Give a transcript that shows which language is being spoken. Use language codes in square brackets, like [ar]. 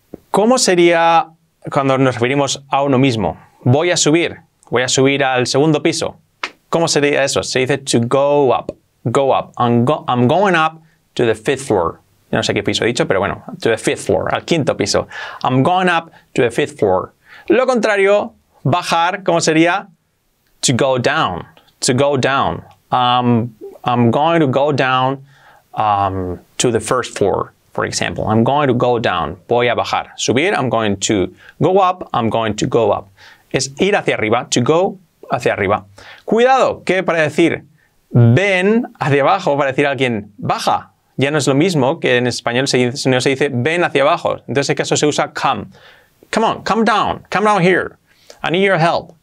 [es] ¿Cómo sería cuando nos referimos a uno mismo? Voy a subir al segundo piso. ¿Cómo sería eso? Se dice [en] to go up, go up. I'm going up to the fifth floor. [es] Yo no sé qué piso he dicho, pero bueno, [en] to the fifth floor, [es] al quinto piso. [en] I'm going up to the fifth floor. [es] Lo contrario, bajar, ¿cómo sería? [en] To go down, to go down. I'm going to go down to the first floor, for example. I'm going to go down, [es] voy a bajar. Subir, [en] I'm going to go up, I'm going to go up. [es] Es ir hacia arriba, [en] to go [es] hacia arriba. Cuidado, que para decir ven hacia abajo, para decir a alguien baja. Ya no es lo mismo que en español, sino se dice ven hacia abajo. Entonces, en ese caso se usa [en] come. Come on, come down here. I need your help.